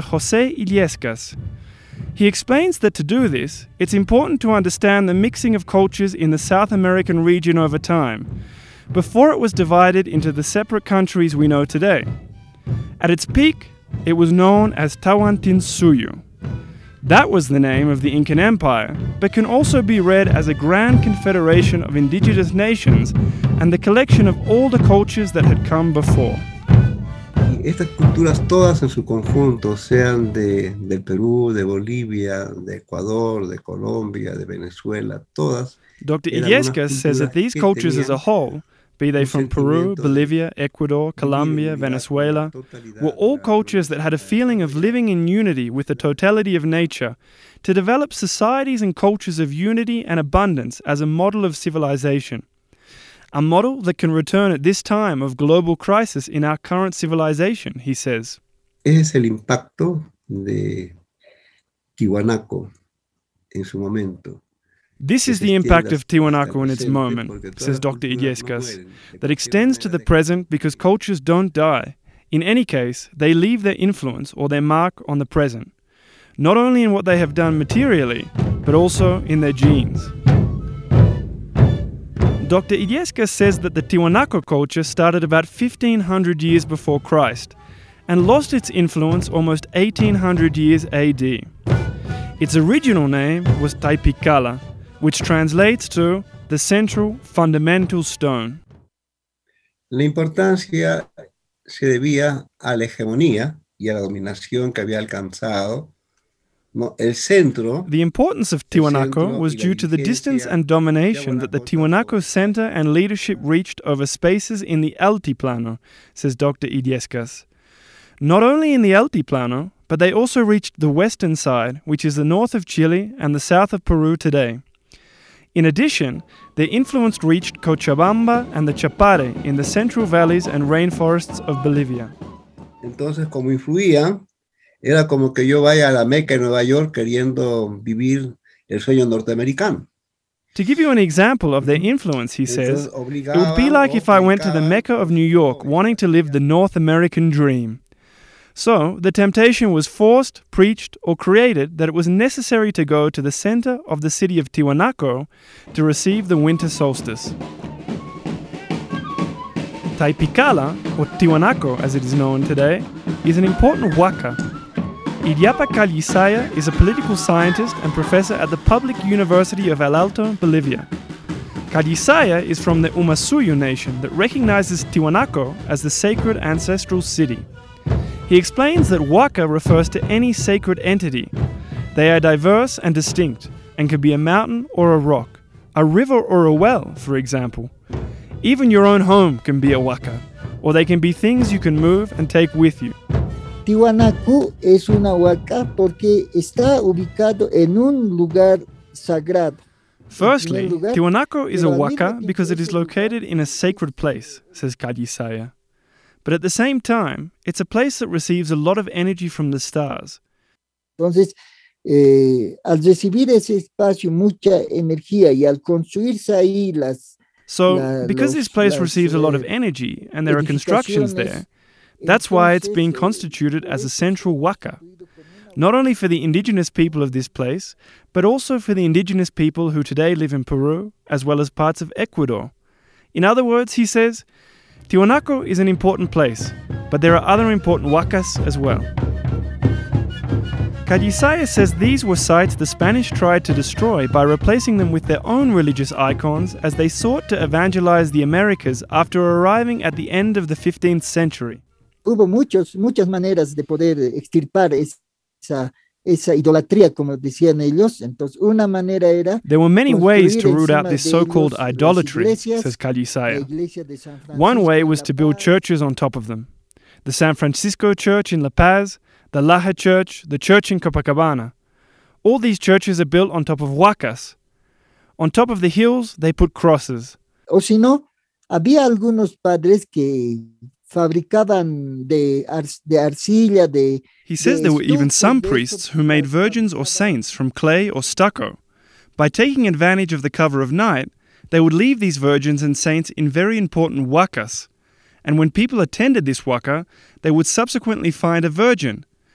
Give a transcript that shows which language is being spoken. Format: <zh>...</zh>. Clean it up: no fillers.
<en>José Illescas. He explains that to do this, it's important to understand the mixing of cultures in the South American region over time, before it was divided into the separate countries we know today. At its peak, it was known as Tahuantinsuyu. That was the name of the Incan Empire, but can also be read as a grand confederation of indigenous nations and the collection of all the cultures that had come before.</en> <es>Estas culturas todas en su conjunto, sean de Perú, de Bolivia, de Ecuador, de Colombia, de Venezuela, todas.</es> <en>Dr. Illescas says that these cultures as a whole, be they from Peru, Bolivia, Ecuador, Colombia, Venezuela, were all cultures that had a feeling of living in unity with the totality of nature to develop societies and cultures of unity and abundance as a model of civilization. A model that can return at this time of global crisis in our current civilization, he says.</en> <es>Es el impacto de Tiwanaku en su momento.</es> <en>This is the impact of Tiwanaku in its moment, says Dr. Illescas, that extends to the present because cultures don't die. In any case, they leave their influence or their mark on the present, not only in what they have done materially, but also in their genes. Dr. Illescas says that the Tiwanaku culture started about 1500 years before Christ and lost its influence almost 1800 years AD. Its original name was Taipikala, which translates to the central fundamental stone.</en> <es>La importancia se debía a la hegemonía y a la dominación que había alcanzado. El centro,</es> <en>the importance of Tiwanaku was due to the distance and domination that the Tiwanaku center and leadership reached over spaces in the Altiplano, says Dr. Illescas. Not only in the Altiplano, but they also reached the western side, which is the north of Chile and the south of Peru today. In addition, their influence reached Cochabamba and the Chapare in the central valleys and rainforests of Bolivia.</en> <es>Entonces, como influía, era como que yo vaya a la Meca en Nueva York queriendo vivir el sueño norteamericano.</es> <en>To give you an example of their influence, he says, it would be like if I went to the Mecca of New York wanting to live the North American dream. So, the temptation was forced, preached, or created that it was necessary to go to the center of the city of Tiwanaku to receive the winter solstice. Taipikala, or Tiwanaku as it is known today, is an important waka. Iriapa Calisaya is a political scientist and professor at the Public University of El Alto, Bolivia. Kadisaya is from the Umasuyu Nation that recognizes Tiwanaku as the sacred ancestral city. He explains that waka refers to any sacred entity. They are diverse and distinct, and can be a mountain or a rock, a river or a well, for example. Even your own home can be a waka, or they can be things you can move and take with you.</en> <es>Tiwanaku es una waka porque está ubicado en un lugar sagrado.</es> <en>Firstly, Tiwanaku is a waka because it is located in a sacred place, says Kadisaya. But at the same time, it's a place that receives a lot of energy from the stars.</en> <es>Entonces, al recibir ese espacio mucha energía y al construirse ahí las</es> <en>So, because this place receives a lot of energy and there are constructions there, that's why it's being constituted as a central waka. Not only for the indigenous people of this place, but also for the indigenous people who today live in Peru, as well as parts of Ecuador. In other words, he says, Tiwanaku is an important place, but there are other important wakas as well. Kadisaya says these were sites the Spanish tried to destroy by replacing them with their own religious icons as they sought to evangelize the Americas after arriving at the end of the 15th century.</en> <es>Hubo muchas maneras de poder extirpar esa idolatría, como decían ellos. Entonces, una manera era</es> <en>There were many ways to root out this so-called idolatry, says Kadisaya. One way was to build churches on top of them. The San Francisco Church in La Paz, the Laja Church, the church in Copacabana. All these churches are built on top of huacas. On top of the hills, they put crosses.</en> <es>O si no, había algunos padres que fabricaban de arcilla, de...</es> <en>He says there were even some priests who made virgins or saints from clay or stucco. By taking advantage of the cover of night, they would leave these virgins and saints in very important huacas. And when people attended this huaca, they would subsequently find a virgin.</en>